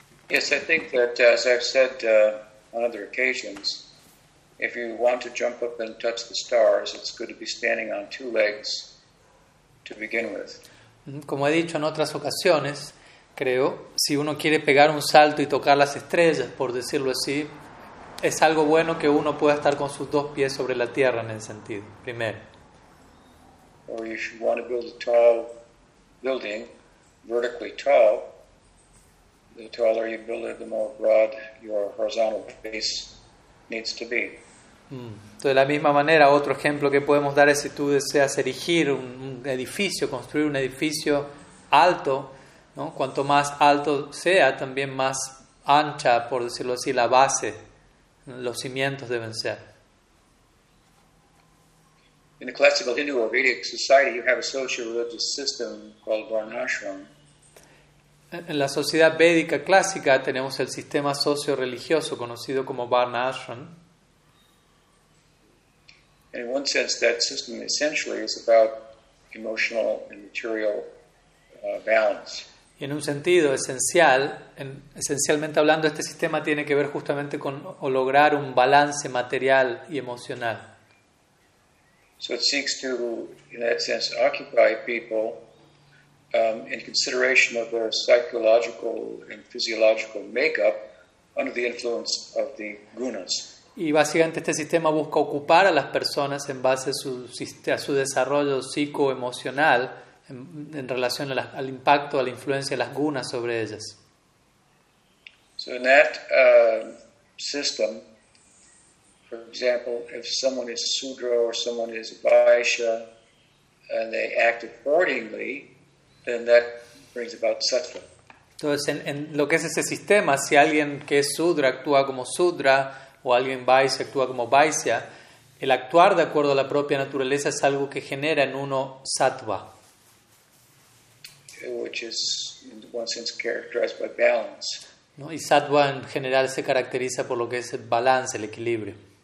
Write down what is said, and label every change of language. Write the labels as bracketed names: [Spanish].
[English] Yes, I think that, as I've said on other occasions, if you want to jump up and touch the stars, it's good to be standing on two legs to begin with. [Spanish] Como he dicho en otras ocasiones, creo, si uno quiere pegar un salto y tocar las estrellas, por decirlo así, es algo bueno que uno pueda estar con sus dos pies sobre la tierra en ese sentido, primero. [English] Or if you want to build a tall building, vertically tall, the taller you build it, the more broad your horizontal base needs to be. [Spanish] Entonces, de la misma manera, otro ejemplo que podemos dar es si tú deseas erigir un edificio, construir un edificio alto, ¿no? Cuanto más alto sea, también más ancha, por decirlo así, la base, los cimientos deben ser. [English] In the classical Hindu or Vedic society, you have a socio-religious system called Varnashram. [Spanish] En la sociedad védica clásica tenemos el sistema socio-religioso conocido como Varnashram. [English] In one sense, that system essentially is about emotional and material balance. [Spanish] Y en un sentido esencialmente hablando, este sistema tiene que ver justamente con o lograr un balance material y emocional. [English] So it seeks to, in that sense, occupy people in consideration of their psychological and physiological makeup under the influence of the gunas. [Spanish] Y básicamente este sistema busca ocupar a las personas en base a su desarrollo psicoemocional en relación al impacto, a la influencia de las gunas sobre ellas. [English] So in that system, for example, if someone is sudra or someone is vaisha and they act accordingly, then that brings about sattva. [Spanish] Entonces, en lo que es ese sistema, si alguien que es sudra actúa como sudra o alguien vaisya actúa como vaisya, el actuar de acuerdo a la propia naturaleza es algo que genera en uno sattva. [English] Which is, in one sense, characterized by balance. [Spanish] ¿No? Y sattva en general se caracteriza por lo que es el balance, el equilibrio.